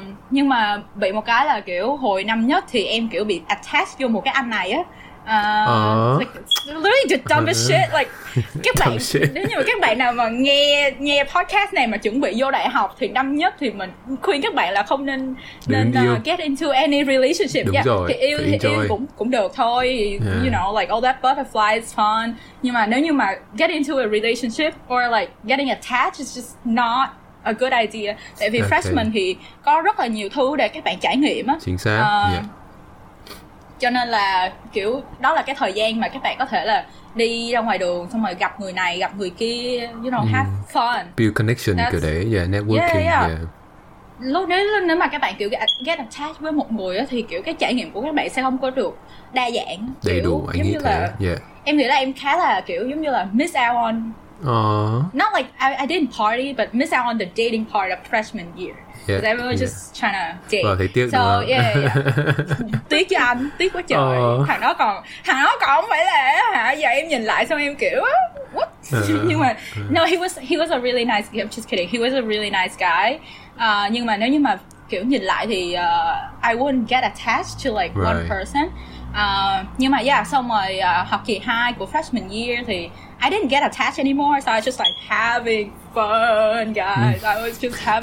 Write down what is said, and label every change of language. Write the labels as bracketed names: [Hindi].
[Vietnamese] Nhưng mà bị một cái là kiểu hồi năm nhất thì em kiểu bị attached vô một cái anh này á. [English] Like, literally the dumbest shit. [Vietnamese] Like, các bạn, nếu như mà các bạn nào mà nghe podcast này mà chuẩn bị vô đại học thì năm nhất thì mình khuyên các bạn là không nên [English] get into any relationship. [Vietnamese] Đúng rồi, thì yêu cũng được thôi. Yeah. [English] You know, like all that butterfly is fun. [Vietnamese] Nhưng mà nếu như mà [English] get into a relationship or like getting attached is just not a good idea. [Vietnamese] Tại vì freshman thì có rất là nhiều thứ để các bạn trải nghiệm á. Chính xác. Cho nên là kiểu đó là cái thời gian mà các bạn có thể là đi ra ngoài đường, xong rồi gặp người này, gặp người kia, [English] you know, have fun. Build connection kiểu đấy, networking. [Vietnamese] Lúc nếu mà các bạn kiểu [English] get attached [Vietnamese] với một người á, thì kiểu cái trải nghiệm của các bạn sẽ không có được đa dạng. Đầy đủ, anh nghĩ thế. Em nghĩ là em khá là kiểu giống như là [English] miss out on. Not like I didn't party, but miss out on the dating part of freshman year. Because everyone was just trying to date. [Vietnamese] Wow, thấy tiếc so đúng không? Tiếc cho anh, tiếc quá trời. Thằng đó còn không phải là hả? Giờ em nhìn lại xong em kiểu what? [English] Nhưng mà no, he was a really nice guy. I'm just kidding. He was a really nice guy. [Vietnamese] Nhưng mà nếu như mà kiểu nhìn lại thì [English] I wouldn't get attached to like one person. [Vietnamese] Nhưng mà yeah, xong rồi học kỳ 2 của freshman year thì [English] I didn't get attached anymore, so I was just like having fun, guys. I was just having